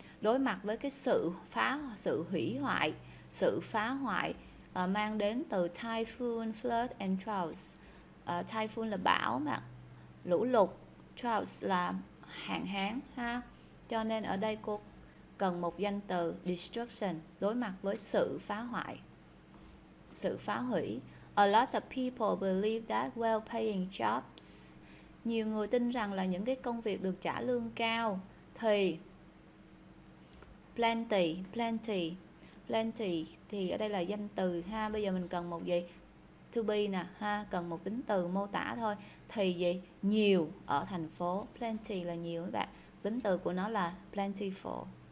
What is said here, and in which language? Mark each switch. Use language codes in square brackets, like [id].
[vi] Đối mặt với cái sự hủy hoại, sự phá hoại mang đến từ [en] typhoon, flood and droughts. [vi] Typhoon là bão mà. Lũ lụt, droughts là hạn hán ha. Cho nên ở đây cô cần một danh từ destruction, đối mặt với sự phá hoại. Sự phá hủy. [en] A lot of people believe that well paying jobs. [vi] Nhiều người tin rằng là những cái công việc được trả lương cao thì plenty, plenty. Plenty thì ở đây là danh từ ha. Bây giờ mình cần một gì? To be nè ha, cần một tính từ mô tả thôi. Thì gì? Nhiều ở thành phố. Plenty là nhiều các bạn. Tính từ của nó là plentiful.